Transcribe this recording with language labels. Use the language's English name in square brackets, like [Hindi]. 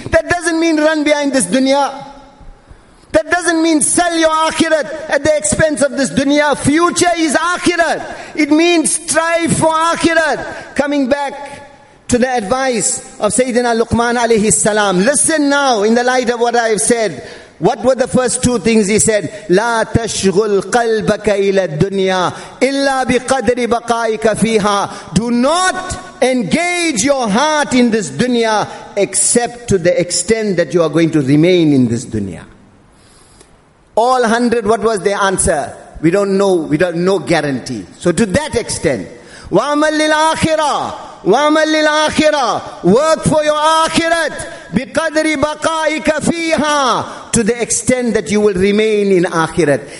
[English] That doesn't mean run behind this dunya. That doesn't mean sell your akhirat at the expense of this dunya. Future is akhirat. It means strive for akhirat. Coming back to the advice of Sayyidina Luqman alayhi salam. Listen now in the light of what I have said. What were the first two things he said? [Arabic] لا تشغل قلبك إلى الدنيا إلا بقدر بقائك فيها. [English] Do not engage your heart in this dunya except to the extent that you are going to remain in this dunya. All 100, what was their answer? We don't know, we don't have no guarantee. So to that extent, [Arabic] وَعْمَلْ لِلْآخِرَةِ وَعْمَلْ لِلْآخِرَةِ [English] Work for your akhirat [Arabic] بِقَدْرِ بَقَائِكَ فِيهَا [English] To the extent that you will remain in akhirat.